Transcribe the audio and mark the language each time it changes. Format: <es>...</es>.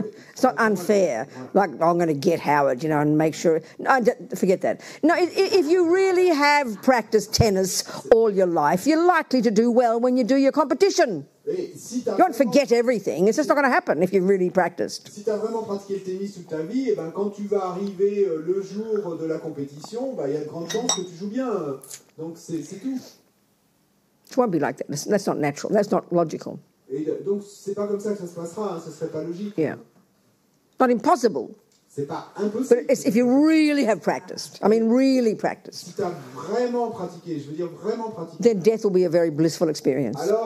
<en>It's not unfair, like, oh, I'm going to get Howard, and make sure... No, forget that. No, if you really have practiced tennis all your life, you're likely to do well when you do your competition. You don't forget everything. It's just not going to happen if you've really practiced.</en> <fr>Si tu as vraiment pratiqué le tennis toute ta vie, quand tu vas arriver le jour de la compétition, il y a de grandes chances que tu joues bien. Donc, c'est tout.</fr> <en>It won't be like that. That's not natural. That's not logical.</en> <fr>Et donc, c'est pas comme ça que ça se passera. Ce serait pas logique.</fr> <en>Yeah. Not impossible.</en> <fr>C'est</fr> <en>But it's if you really have practiced, I mean really practiced, then death will be a very blissful experience.</en>